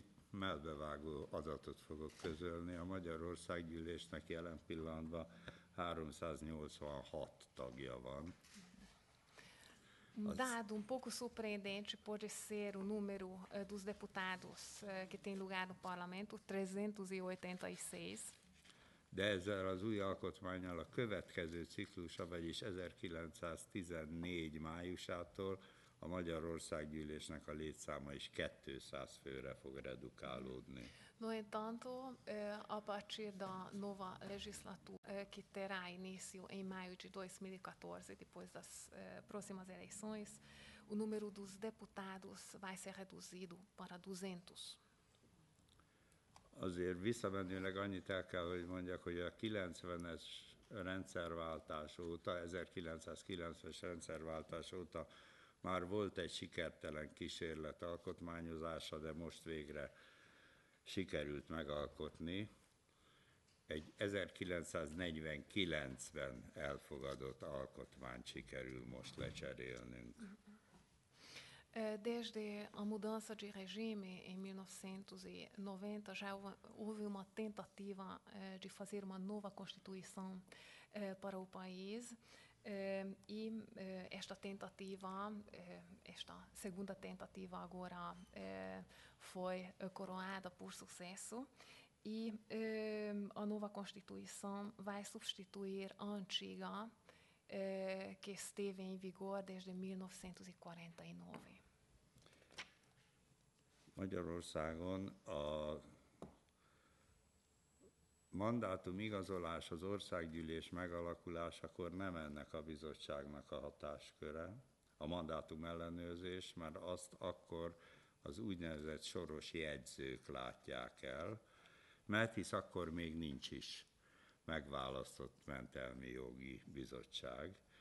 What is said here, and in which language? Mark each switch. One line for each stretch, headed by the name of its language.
Hungarian: Mellbevágó adatot fogok közölni. A Magyarország gyűlésnek jelen pillanatban 386 tagja van.
Portuguese: Dado um pouco surpreendente pode ser o número dos deputados que tem lugar no parlamento, 386.
Hungarian: De ezzel az új alkotmánnyal a következő ciklusa, vagyis 1914 májusától a Magyarország gyűlésnek a létszáma is 200 főre fog redukálódni.
Portuguese: No entanto, a partir da nova legislatura que terá início em maio de 2014, depois das próximas eleições, o número dos deputados vai ser reduzido para 200.
Hungarian: Azért visszamenőleg annyit el kell, hogy mondjak, hogy a 90-es rendszerváltás óta, 1990-es rendszerváltás óta már volt egy sikertelen kísérlet alkotmányozása, de most végre sikerült megalkotni. Egy 1949-ben elfogadott alkotmányt sikerül most lecserélnünk.
Portuguese: Desde a mudança de regime em 1990, já houve uma tentativa de fazer uma nova constituição para o país, e esta tentativa, esta segunda tentativa agora foi coroada por sucesso, e a nova constituição vai substituir a antiga, que esteve em vigor desde 1949.
Hungarian: Magyarországon a mandátum igazolás az országgyűlés megalakulásakor nem ennek a bizottságnak a hatásköre, a mandátum ellenőrzés, mert azt akkor az úgynevezett soros jegyzők látják el, mert hisz akkor még nincs is megválasztott mentelmi jogi bizottság.